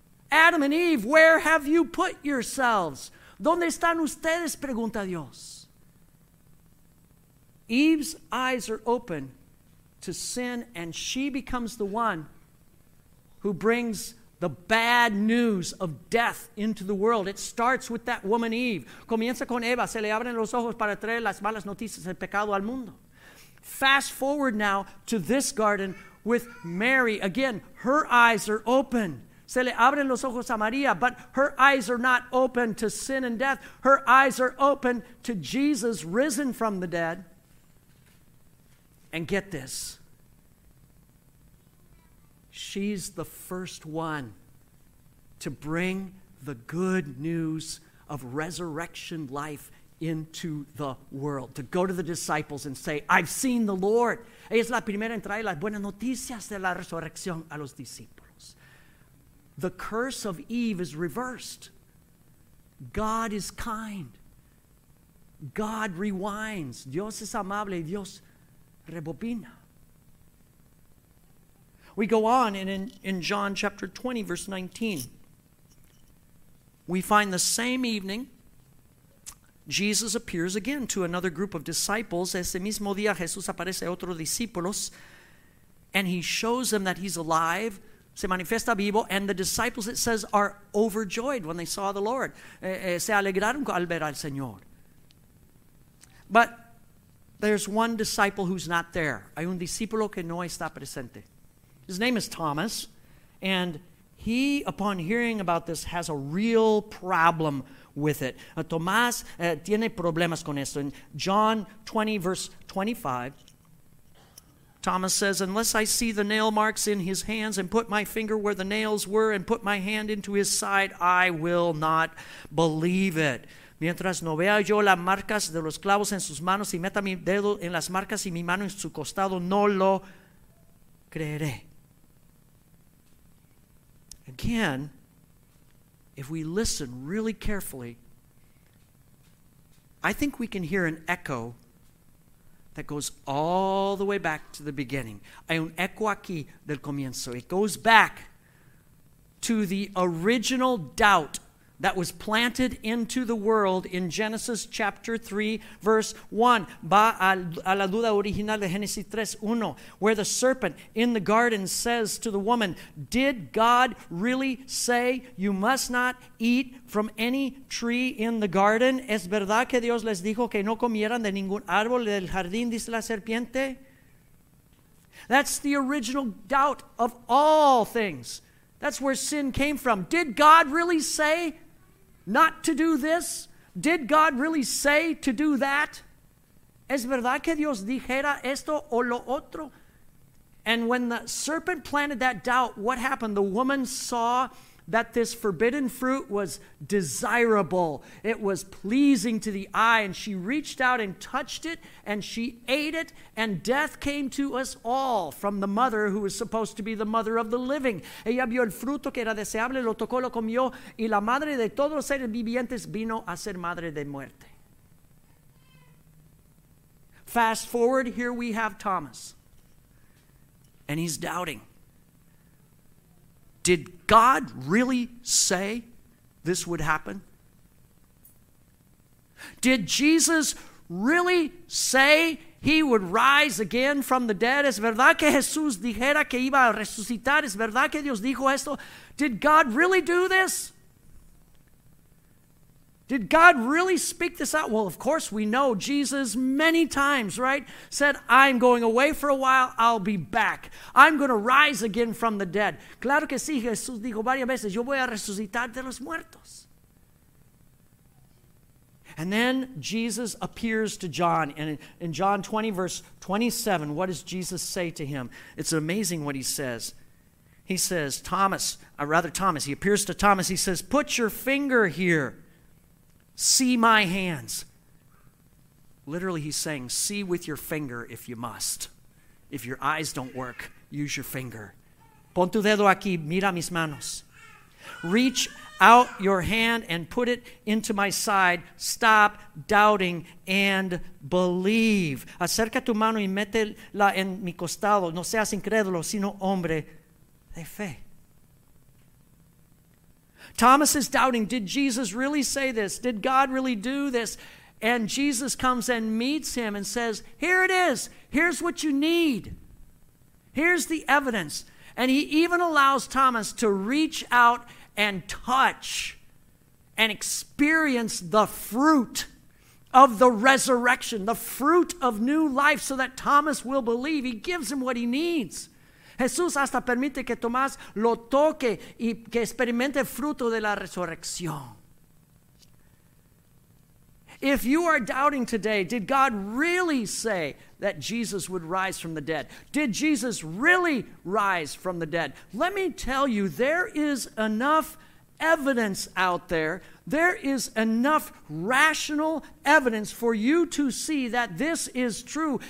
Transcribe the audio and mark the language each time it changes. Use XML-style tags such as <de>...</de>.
<en>Adam and Eve, where have you put yourselves?</en> <es>¿Dónde están ustedes? Pregunta Dios.</es> <en>Eve's eyes are open to sin, and she becomes the one who brings the bad news of death into the world. It starts with that woman, Eve.</en> <es>Comienza con Eva. Se le abren los ojos para traer las malas noticias del pecado al mundo.</es> <en>Fast forward now to this garden with Mary. Again, her eyes are open.</en> <es>Se le abren los ojos a María,</es> <en>but her eyes are not open to sin and death. Her eyes are open to Jesus risen from the dead. And get this. She's the first one to bring the good news of resurrection life into the world, to go to the disciples and say, I've seen the Lord.</en> <es>Ella es la primera en traer las buenas noticias de la resurrección a los discípulos.</es> <en>The curse of Eve is reversed. God is kind. God rewinds.</en> <es>Dios es amable y Dios rebobina.</es> <en>We go on, and in John chapter 20, verse 19, we find the same evening Jesus appears again to another group of disciples.</en> <es>Ese mismo día Jesús aparece a otros discípulos,</es> <en>and he shows them that he's alive.</en> <es>Se manifiesta vivo,</es> <en>and the disciples, it says, are overjoyed when they saw the Lord.</en> <es>Se alegraron al ver al Señor.</es> <en>But there's one disciple who's not there.</en> <es>Hay un discípulo que no está presente.</es> <en>His name is Thomas, and he, upon hearing about this, has a real problem with it.</en> <es>Tomás tiene problemas con esto.</es> <en>In John 20, verse 25, Thomas says, unless I see the nail marks in his hands and put my finger where the nails were and put my hand into his side, I will not believe it.</en> <es>Mientras no vea yo las marcas de los clavos en sus manos y meta mi dedo en las marcas y mi mano en su costado, no lo creeré.</es> <en>Again, if we listen really carefully, I think we can hear an echo that goes all the way back to the beginning.</en> <es>Hay un eco aquí del comienzo.</es> <en>It goes back to the original doubt that was planted into the world in Genesis chapter 3, verse 1.</en> <es>Va a la duda original de Genesis 3, 1,</es> <en>where the serpent in the garden says to the woman, did God really say you must not eat from any tree in the garden?</en> <es>¿Es verdad que Dios les dijo que no comieran de ningún árbol del jardín, dice la serpiente?</es> <en>That's the original doubt of all things. That's where sin came from. Did God really say not to do this? Did God really say to do that?</en> <es>¿Es verdad que Dios dijera esto o lo otro?</es> <en>And when the serpent planted that doubt, what happened? The woman saw that this forbidden fruit was desirable. It was pleasing to the eye. And she reached out and touched it, and she ate it, and death came to us all from the mother who was supposed to be the mother of the living.</en> <es>Ella vio el fruto que era deseable, lo tocó, lo comió, y la madre de todos los seres vivientes vino a ser madre de muerte.</es> <en>Fast forward, here we have Thomas. And he's doubting. Did God really say this would happen? Did Jesus really say he would rise again from the dead.</en> <es>¿Es verdad que Jesús dijera que iba a resucitar? ¿Es verdad que Dios dijo esto?</es> <en>Did God really do this? Did God really speak this out? Well, of course we know Jesus many times, right? Said, I'm going away for a while, I'll be back. I'm going to rise again from the dead. Claro que sí, Jesús dijo varias veces, yo voy a resucitar de los muertos. And then Jesus appears to John. And in John 20, verse 27, what does Jesus say to him? It's amazing what he says. He says, Thomas, he appears to Thomas. He says, put your finger here. See my hands. Literally, he's saying, see with your finger if you must. If your eyes don't work, use your finger.</en> <es>Pon tu dedo aquí, mira mis manos.</es> <en>Reach out your hand and put it into my side. Stop doubting and believe.</en> <es>Acerca tu mano y métela en mi costado. No seas incrédulo, sino hombre de fe.</es> <en>Thomas is doubting, did Jesus really say this? Did God really do this? And Jesus comes and meets him and says, here it is. Here's what you need. Here's the evidence. And he even allows Thomas to reach out and touch and experience the fruit of the resurrection, the fruit of new life, so that Thomas will believe. He gives him what he needs.</en> <es>Jesús hasta permite que Tomás lo toque y que experimente fruto de la resurrección.</es> <en>If you are doubting today, did God really say that Jesus would rise from the dead? Did Jesus really rise from the dead? Let me tell you, there is enough evidence out there. There is enough rational evidence for you to see that this is true.</en>